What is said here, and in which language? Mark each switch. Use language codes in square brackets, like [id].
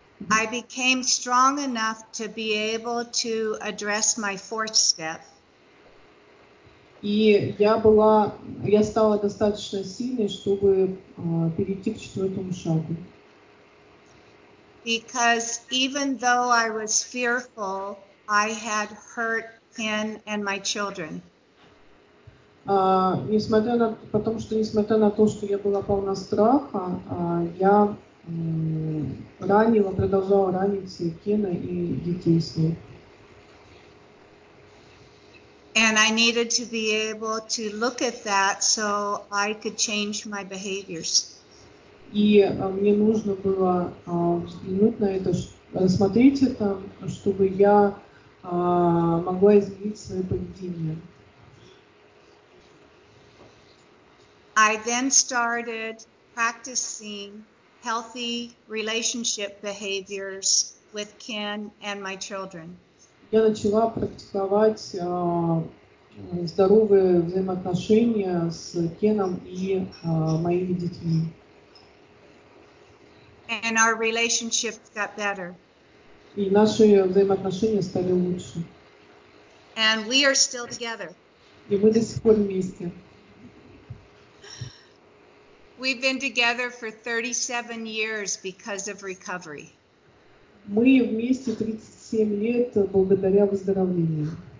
[en] I became strong enough to be able to address my fourth step. [ru] И я была, я стала достаточно сильной, чтобы перейти к четвертому шагу. [en] Because even though I was fearful, I had hurt Ken and my children. [ru] Несмотря на то, что я была полна страха, я ранила, продолжала ранить Кена и детей с ним. [en] And I needed to be able to look at that so I could change my behaviors. [ru] И мне нужно было взглянуть на это, рассмотреть это, чтобы я могла изменить свое поведение. [en] I then started practicing healthy relationship behaviors with Ken and my children. [ru] Я начала практиковать здоровые взаимоотношения с Кеном и моими детьми. [en] And our relationships got better. [ru] И наши взаимоотношения стали лучше. [en] And we are still together. [ru] И мы до сих пор вместе. [en] We've been together for 37 years because of recovery. [ru] Мы вместе 37 лет благодаря выздоровлению.